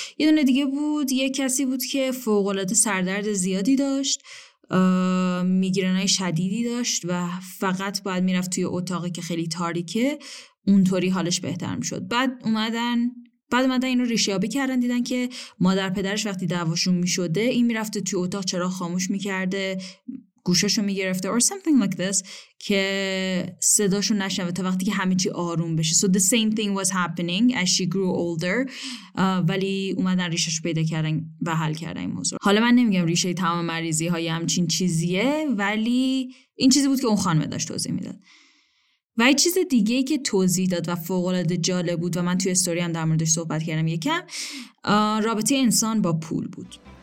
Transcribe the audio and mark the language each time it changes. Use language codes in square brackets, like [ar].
[fa] یه دونه دیگه بود، یه کسی بود که فوق‌العاده سردرد زیادی داشت، میگرنای شدیدی داشت و فقط باید میرفت توی اتاقی که خیلی تاریکه اونطوری حالش بهتر میشد. بعد اومدن اینو ریشه‌یابی کردن، دیدن که مادر پدرش وقتی دعواشون میشده این میرفته توی اتاق چراغ خاموش میکرده، گوشاشو میگرفته [en] or something like this [fa] که صداشو نشنوه تا وقتی که همه چی آروم بشه. [en] So the same thing was happening as she grew older. [fa] ولی اومدن ریشهشو پیدا کردن و حل کردن این موضوع. حالا من نمیگم ریشه تمام مریضی های همچین چیزیه، ولی این چیزی بود که اون خانم داشت توضیح میداد. و یه چیز دیگه ای که توضیح داد و فوق‌العاده جالب بود و من توی استوری هم در موردش صحبت کردم یکم، رابطه انسان با پول بود.